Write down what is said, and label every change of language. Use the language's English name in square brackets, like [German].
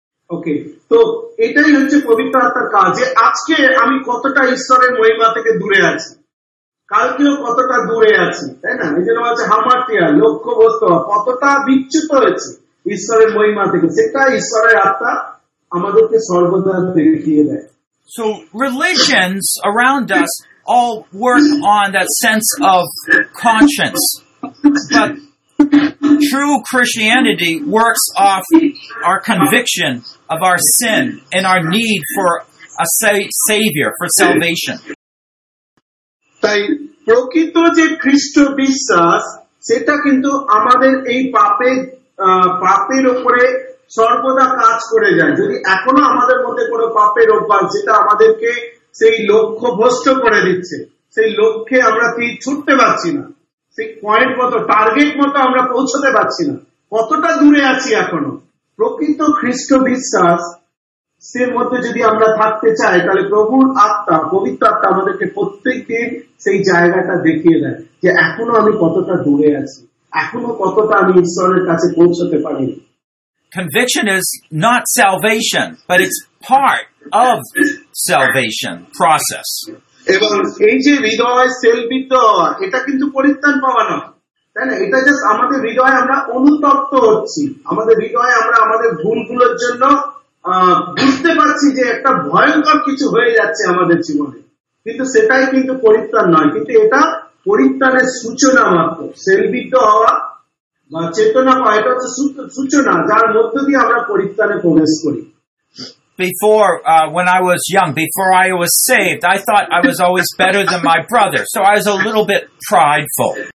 [Bangla] ওকে, তো এটাই হচ্ছে পবিত্র আত্মার কাজ, যে আজকে আমি কতটা ঈশ্বরের মহিমা থেকে দূরে আছি, কালকেও কতটা দূরে আছি, তাই না? এই জন্য হচ্ছে হামারটিয়া লক্ষ্য বস্তু কতটা বিচ্যুত হয়েছে ঈশ্বরের মহিমা থেকে, সেটা ঈশ্বরের আত্মা আমাদেরকে সর্বদা দেখিয়ে দেয়। [English] So religions around us all work on that sense of conscience, but true Christianity works off our conviction of our sin and our need for a savior, for salvation. [Bangla] তাই প্রকৃত যে খ্রিস্ট বিশ্বাস সেটা কিন্তু আমাদের এই পাপের উপরে সর্বদা কাজ করে যায়। যদি এখনো আমাদের মধ্যে কোন পাপের অভ্যাস, সেটা আমাদেরকে সেই লক্ষ্য ভ্রষ্ট করে দিচ্ছে, সেই লক্ষ্যে আমরা ছুটতে পারছি না, সেই পয়েন্ট মতো টার্গেট মতো আমরা পৌঁছতে পারছি না, কতটা দূরে আছি এখনো। প্রকৃত খ্রিস্ট বিশ্বাস সেই মধ্যে যদি আমরা থাকতে চাই, তাহলে প্রভুর আত্মা, পবিত্র আত্মা আমাদেরকে প্রত্যেকদিন সেই জায়গাটা দেখিয়ে দেয় যে এখনো আমি কতটা দূরে আছি, এখনো কতটা আমি ঈশ্বরের কাছে পৌঁছতে পারিনি। [English] Conviction is not salvation, but it's part of salvation process. [Bangla] এবং এই যে হৃদয় সেলবিত এটা কিন্তু পরিত্রাণ পাওয়া নয়, তাই না? এটা জাস্ট আমাদের হৃদয়ে আমরা অনুতপ্ত হচ্ছি, আমাদের হৃদয়ে আমরা আমাদের ভুলগুলোর জন্য বুঝতে পারছি যে একটা ভয়ঙ্কর কিছু হয়ে যাচ্ছে আমাদের জীবনে, কিন্তু সেটাই কিন্তু পরিত্রাণ নয়, কিন্তু এটা পরিত্রাণের সূচনা মাত্র। সেলবিত হওয়া বা চেতনা পাওয়া এটা হচ্ছে সূচনা যার মধ্য দিয়ে আমরা পরিত্রাণে প্রবেশ করি। [English] Before, when I was young, before I was saved, I thought I was always better than my brother. So I was a little bit prideful.